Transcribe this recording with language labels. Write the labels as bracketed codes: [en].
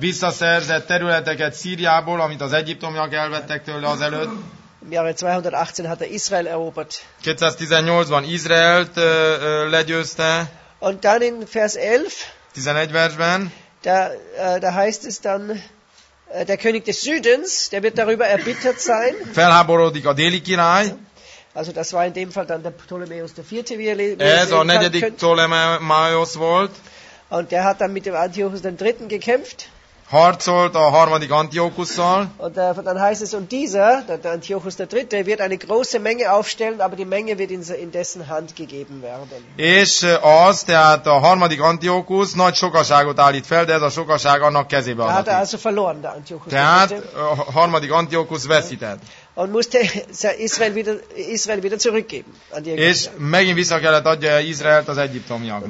[hu] Visszaszerzett területeket Szíriából, amit az egyiptomiak elvettek tőle azelőtt. [de] Im Jahre 218 hat er Israel erobert. [hu] 218-ban Izraelt legyőzte. [de] Und dann in Vers 11. [hu] 11 versben. [de] Da heißt es dann, der König des Südens, der wird darüber erbittert sein. [hu] Felháborodik a déli király. [de] Also das war in dem Fall dann der Ptolemäus der Vierte, wie er lesen könnt. [hu] Ez a negyedik Ptolemäus volt. [de] Und der hat dann mit dem Antiochus den Dritten gekämpft. [hu] Harcolt a harmadik Antiochusszal. [de] Und dann heißt es, und dieser, der Antiochus der Dritte, wird eine große Menge aufstellen, aber die Menge wird in dessen Hand gegeben werden. [hu] És az, tehát a harmadik Antiochus nagy sokaságot állít fel, de ez a sokaság annak kezébe adatik. [de] Hát, also verloren, der Antiochus [hu] tehát [de] der Dritte. [hu] A harmadik Antiochus veszített. [de] und musste Israel wieder zurückgeben an die Ägypter. [hu] És megint vissza kellett adja Izraelt az egyiptomiaknak.